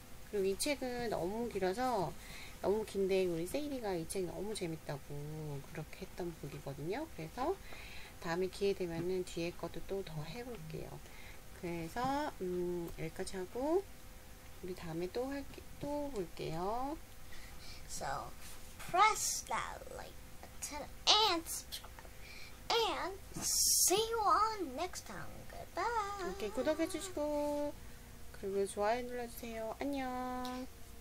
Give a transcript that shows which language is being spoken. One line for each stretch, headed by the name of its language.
Korean: 그리고 이 책은 너무 길어서 너무 긴데 우리 세일이가 이 책이 너무 재밌다고 그렇게 했던 북이거든요. 그래서 다음에 기회 되면은 뒤에 것도 또더 해볼게요. 그래서 여기까지 하고 우리 다음에 또 할게 또 볼게요.
English: So press that like button and subscribe and see you on next time. Goodbye.
Korean: 이렇게 구독해주시고 그리고 좋아요 눌러주세요. 안녕.